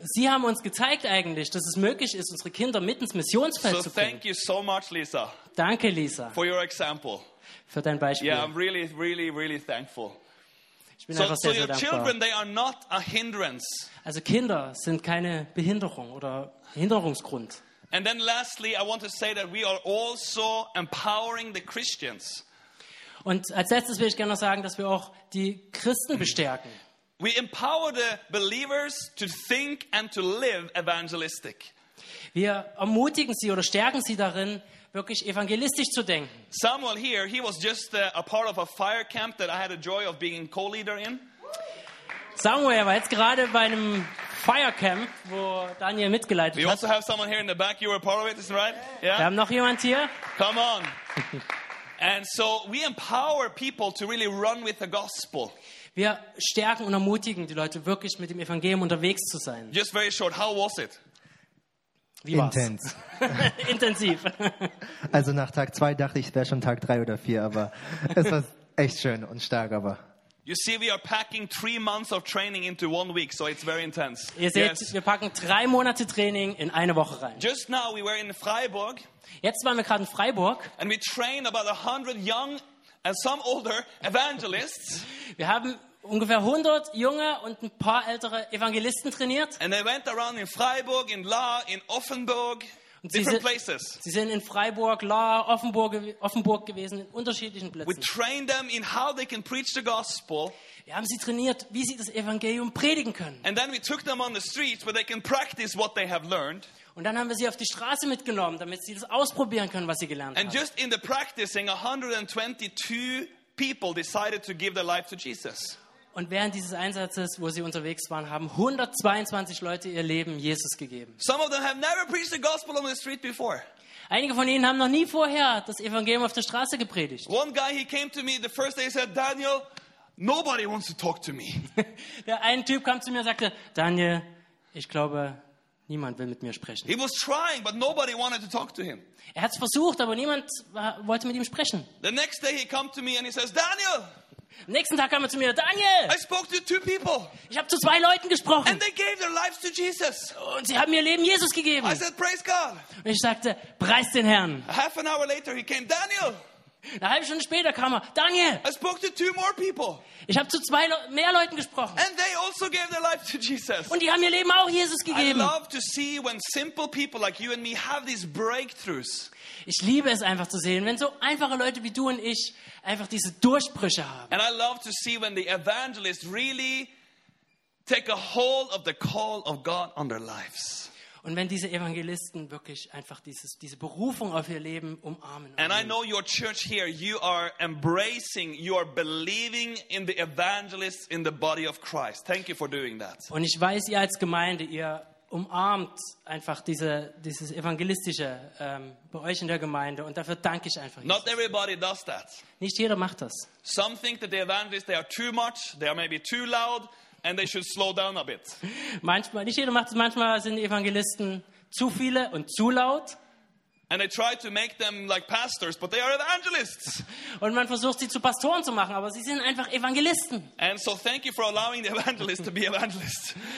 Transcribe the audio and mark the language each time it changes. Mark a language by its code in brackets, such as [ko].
[de] Sie haben uns gezeigt eigentlich, dass es möglich ist, unsere Kinder mit ins Missionsfeld zu bringen. [en] So thank you so much, Lisa. [de] Danke, Lisa. [en] For your example. [de] Für dein Beispiel. [en] Yeah, I'm really, really, really thankful. So your children, they are not a hindrance. [de] Also Kinder sind keine Behinderung oder Hinderungsgrund. [en] And then lastly, I want to say that we are also empowering the Christians. [de] Und als letztes will ich gerne noch sagen, dass wir auch die Christen bestärken. [en] We empower the believers to think and to live evangelistic. [de] Wir ermutigen sie oder stärken sie darin, wirklich evangelistisch zu denken. [en] Samuel here, he was just a part of a fire camp that I had the joy of being co-leader in. [de] Samuel war jetzt gerade bei einem Fire Camp, wo Daniel mitgeleitet hat. [en] We also have someone here in the back. You were part of it, isn't right? Yeah. [de] Wir haben noch jemand hier. [en] Come on. And so we empower people to really run with the gospel. [de] Wir stärken und ermutigen die Leute wirklich mit dem Evangelium unterwegs zu sein. [en] Just very short. How was it? [de] Intens. Intensiv. Also nach Tag 2 dachte ich, es wäre schon Tag 3 oder 4, aber es war echt schön und stark, aber. [en] You see, we are packing 3 months of training into 1 week, so it's very intense. [de] Ihr seht, yes. Wir packen 3 Monate Training in eine Woche rein. [en] Just now we were in Freiburg. [de] Jetzt waren wir gerade in Freiburg. [en] And we train about 100 young and some older evangelists. [de] Wir haben ungefähr 100 junge und ein paar ältere Evangelisten trainiert. [en] And they went around in Freiburg, in La, in Offenburg, different places. [de] Sie sind in Freiburg, La, Offenburg gewesen, in unterschiedlichen Plätzen. [en] We trained them in how they can preach the gospel. [de] Wir haben sie trainiert, wie sie das Evangelium predigen können. [en] And then we took them on the streets where they can practice what they have learned. [de] Und dann haben wir sie auf die Straße mitgenommen, damit sie das ausprobieren können, was sie gelernt haben. [en] And just in the practicing, 122 people decided to give their life to Jesus. [de] Und während dieses Einsatzes, wo sie unterwegs waren, haben 122 Leute ihr Leben Jesus gegeben. [en] Some of them have never preached the gospel on the street before. [de] Einige von ihnen haben noch nie vorher das Evangelium auf der Straße gepredigt. [en] One guy, he came to me the first day, he said, Daniel, Nobody wants to talk to me. [de] Der ein Typ kam zu mir und sagte, Daniel, ich glaube, niemand will mit mir sprechen. [en] He was trying, but nobody wanted to talk to him. [de] Er hat es versucht, aber niemand wollte mit ihm sprechen. [en] The next day he came to me and he says, Daniel. [de] Am nächsten Tag kam er zu mir, Daniel. [en] I spoke to two people. [de] Ich habe zu zwei Leuten gesprochen. [en] And they gave their lives to Jesus. [de] Und sie haben ihr Leben Jesus gegeben. [en] I said, praise God. [de] Und ich sagte, preis den Herrn. [en] Half an hour later he came, Daniel. [de] Eine halbe Stunde später kam er, Daniel. [en] I spoke to two more people. [de] Ich habe zu zwei mehr Leuten gesprochen. [en] And they also gave their life to Jesus. [de] Und die haben ihr Leben auch Jesus gegeben. [en] I love to see when simple people like you and me have these breakthroughs. [de] Ich liebe es einfach zu sehen, wenn so einfache Leute wie du und ich einfach diese Durchbrüche haben. [en] And I love to see when the evangelists really take a hold of the call of God on their lives. [de] Und wenn diese Evangelisten wirklich einfach diese Berufung auf ihr Leben umarmen. [en] And I know your church here, you are embracing, you are believing in the evangelists in the body of Christ. Thank you for doing that. [de] Und ich weiß, ihr als Gemeinde, ihr umarmt einfach dieses evangelistische bei euch in der Gemeinde, und dafür danke ich einfach. [en] Not everybody does that. [de] Nicht jeder macht das. [en] Some think that the evangelists, they are too much, they are maybe too loud. And they should slow down a bit. [de] Manchmal, nicht jeder macht es. Manchmal sind die Evangelisten zu viele und zu laut. [en] And they try to make them like pastors, but they are evangelists. [de] Und man versucht sie zu Pastoren zu machen, aber sie sind einfach Evangelisten. [en] And so thank you for allowing the evangelists to be evangelists.